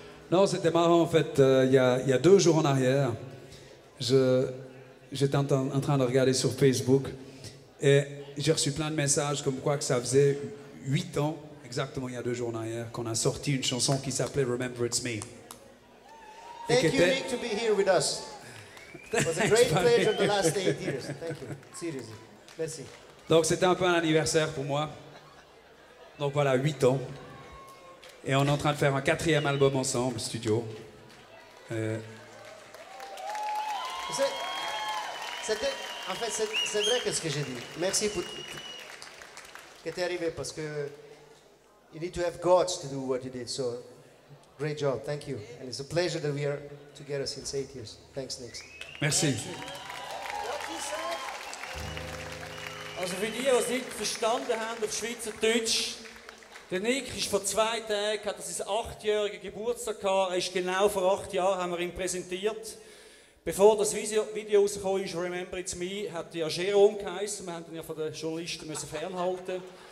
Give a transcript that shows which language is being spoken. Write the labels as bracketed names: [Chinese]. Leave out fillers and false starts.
[French] Non, c'était marrant en fait. Il y a 2 jours en arrière, j'étais en train de regarder sur Facebook et j'ai reçu plein de messages comme quoi que ça faisait 8 ans, exactement il y a 2 jours en arrière, qu'on a sorti une chanson qui s'appelait Remember It's Me. [English] Thank you, Nick, to be here with us. It was a great pleasure the last 8 years. Thank you. Seriously. [French] Merci. Donc c'était un peu un anniversaire pour moi. Donc voilà, 8 ans. Et on est en train de faire un 4e album ensemble, studio. C'était, En fait, c'est vrai que ce que j'ai dit. Merci pour que t'es arrivé parce que [English] you need to have guts to do what you did. So, great job. Thank you. And it's a pleasure that we are together since 8 years. Thanks, Nix. [French] Merci. [German] Also für die, die es nicht verstanden haben auf Schweizerdeutsch, der Nick ist vor 2 Tagen, hat er sein 8-jähriger Geburtstag gehabt, er ist genau vor 8 Jahren, haben wir ihn präsentiert. Bevor das Video rausgekommen ist, Remember It's Me, hat er Jerome geheißen, wir mussten ihn ja von den Journalisten fernhalten.